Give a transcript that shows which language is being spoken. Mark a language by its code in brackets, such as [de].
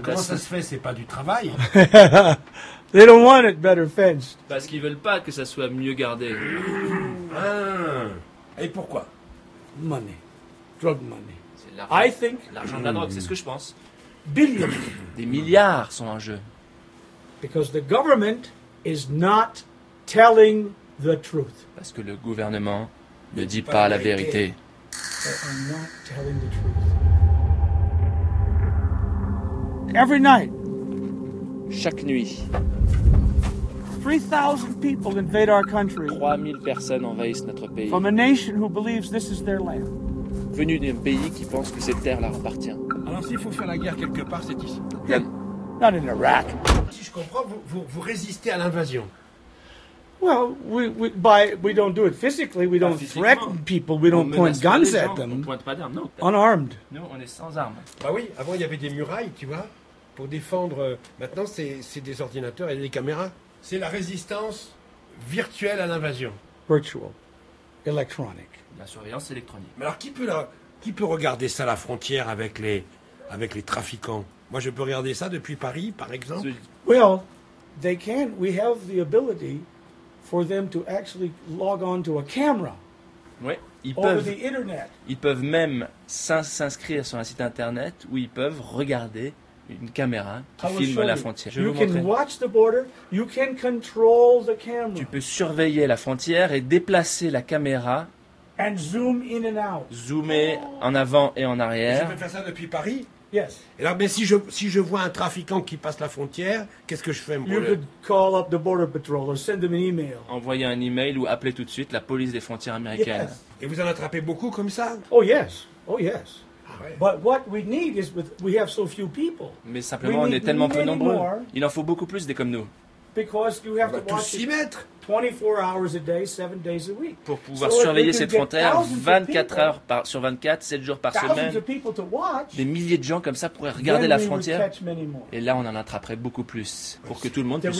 [fr] Comment ça se fait, c'est pas du travail? [en] They don't want it better fenced. [fr] Parce qu'ils veulent pas que ça soit mieux gardé. Ah. Et pourquoi? [en] Money. Drug money. [fr] C'est l'argent. [en] I think. [fr] L'argent de la drogue, c'est ce que je pense. [en] Billions. [fr] Des milliards sont en jeu. [en] Because the government is not telling the truth. [fr] Parce que le gouvernement ne dit pas la vérité. [en] They are not telling the truth. Every night. [fr] Chaque nuit. [en] 3,000 people invade our country. [fr] 3,000 personnes envahissent notre pays. [en] From a nation who believes this is their land. [fr] Venu d'un pays qui pense que cette terre leur appartient. Alors s'il faut faire la guerre quelque part, c'est ici. [en] Not in Iraq. [fr] Si je comprends, vous résistez à l'invasion. [en] Well, we don't do it physically. We don't threaten people. We don't point guns at them. [fr] On pointe pas d'armes. Non. [en] Unarmed. [fr] Non, on est sans armes. Bah oui, avant il y avait des murailles, tu vois, pour défendre. Maintenant c'est des ordinateurs et des caméras. C'est la résistance virtuelle à l'invasion. [en] Virtual. Electronic. [fr] La surveillance électronique. Mais alors qui peut regarder ça à la frontière avec les trafiquants? Moi je peux regarder ça depuis Paris par exemple. [en] Well, they can. We have the ability for them to actually log on to a camera. [fr] Oui, [en] over the internet. [fr] Ils peuvent même s'inscrire sur un site internet où ils peuvent regarder une caméra qui filme la frontière. [en] You can watch the border, you can control the camera. [fr] Tu peux surveiller la frontière et déplacer la caméra. [en] And zoom in and out. [fr] Zoomer en avant et en arrière. Je peux faire ça depuis Paris? [en] Yes. [fr] Et là, mais si je vois un trafiquant qui passe la frontière, qu'est-ce que je fais? [en] You could call up the border patrol or send them an email. [fr] Envoyer un email ou appeler tout de suite la police des frontières américaines. Yes. Et vous en attrapez beaucoup comme ça? [en] Oh yes. Oh yes. [fr] Ouais. [en] But what we need is we have so few people. [fr] Mais simplement, on est tellement peu nombreux. Il en faut beaucoup plus des comme nous. [en] Because you have [fr] on [en] to watch 24 hours a day, 7 days a week. [fr] Pour pouvoir surveiller cette frontière 24 heures sur 24, 7 jours par semaine. Des milliers de gens comme ça pourraient regarder la frontière. Et là, on en attraperait beaucoup plus pour que tout le monde puisse